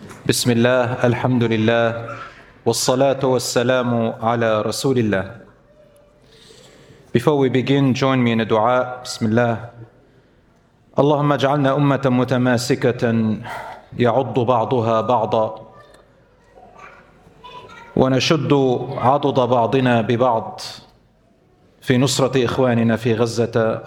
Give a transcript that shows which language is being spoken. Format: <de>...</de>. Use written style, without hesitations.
<ar>بسم الله الحمد لله والصلاة والسلام على رسول الله.</ar> <en>Before we begin, join me in a دعاء.</en> <ar>بسم الله. اللهم اجعلنا أمة متماسكة يعض بعضها بعضا ونشد عضد بعضنا ببعض في نصرة إخواننا في غزة.</ar>